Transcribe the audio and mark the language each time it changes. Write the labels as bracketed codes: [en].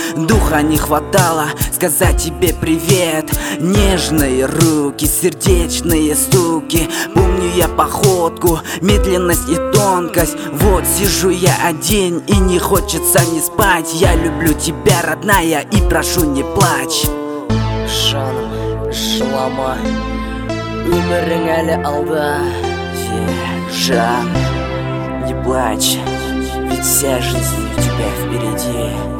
[ru] Духа не хватало сказать тебе привет. Нежные руки, сердечные стуки. Помню я походку, медленность и тонкость. Вот сижу я один и не хочется не спать. Я люблю тебя, родная, и прошу, не плачь. [kk] Жанна, жылама, өмірің әлі алда. [ru] Жан, не плачь, ведь вся жизнь у тебя впереди.